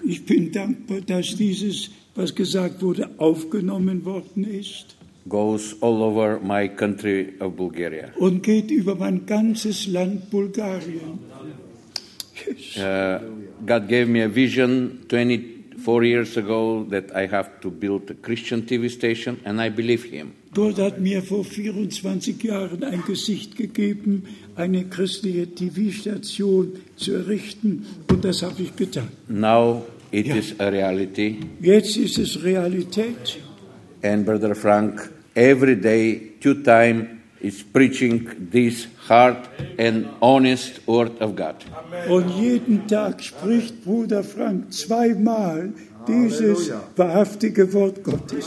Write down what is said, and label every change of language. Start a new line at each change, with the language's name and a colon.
German: Ich bin dankbar, dass dieses, was gesagt wurde, aufgenommen worden ist.
English: Goes all over my country of Bulgaria.
German: Und geht über mein ganzes Land Bulgarien.
English: God gave me a vision 24 years ago that I have to build a Christian TV station, and I believe him.
German: Gott hat mir vor 24 Jahren ein Gesicht gegeben, eine christliche TV-Station zu errichten, und das habe ich getan.
English: Now it is a reality.
German: Jetzt ist es Realität.
English: And Brother Frank, every day, two times, is preaching this hard and honest word of God.
German: Und jeden Tag spricht Bruder Frank zweimal dieses wahrhaftige Wort Gottes.